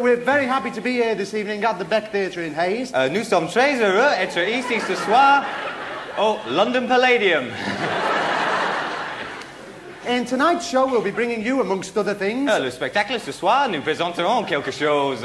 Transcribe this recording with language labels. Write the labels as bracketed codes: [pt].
[en] We're very happy to be here this evening at the Beck Theatre in Hayes. [fr] Nous sommes très heureux d'être ici ce soir au London Palladium. [en] In tonight's show, we'll be bringing you, amongst other things... [fr] Le spectacle ce soir, nous présenterons quelque chose...